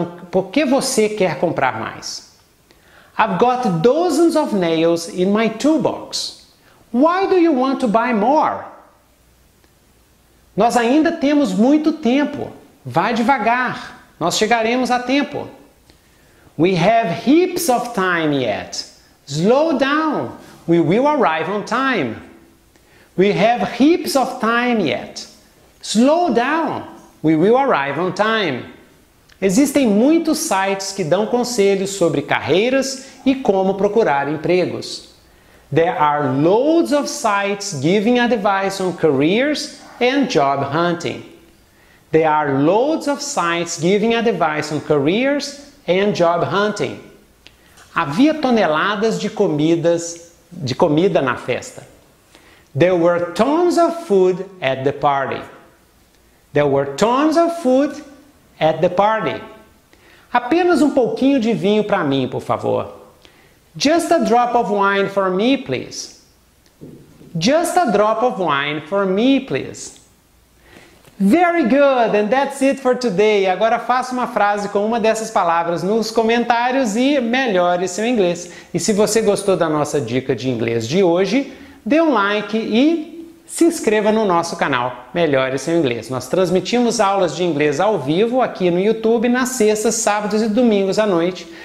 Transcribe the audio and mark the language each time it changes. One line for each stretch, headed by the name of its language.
Portuguese: Por que você quer comprar mais?
English: I've got dozens of nails in my toolbox. Why do you want to buy more?
Portuguese: Nós ainda temos muito tempo. Vá devagar. Nós chegaremos a tempo.
English: We have heaps of time yet. Slow down. We will arrive on time. We have heaps of time yet. Slow down. We will arrive on time.
Portuguese: Existem muitos sites que dão conselhos sobre carreiras e como procurar empregos.
English: There are loads of sites giving advice on careers and job hunting. There are loads of sites giving advice on careers and job hunting.
Portuguese: Havia toneladas de comida na festa.
English: There were tons of food at the party. There were tons of food at the party.
Portuguese: Apenas um pouquinho de vinho para mim, por favor.
English: Just a drop of wine for me, please. Just a drop of wine for me, please. Very good, and that's it for today.
Portuguese: Agora faça uma frase com uma dessas palavras nos comentários e melhore seu inglês. E se você gostou da nossa dica de inglês de hoje, dê um like e se inscreva no nosso canal Melhore Seu Inglês. Nós transmitimos aulas de inglês ao vivo aqui no YouTube nas sextas, sábados e domingos à noite.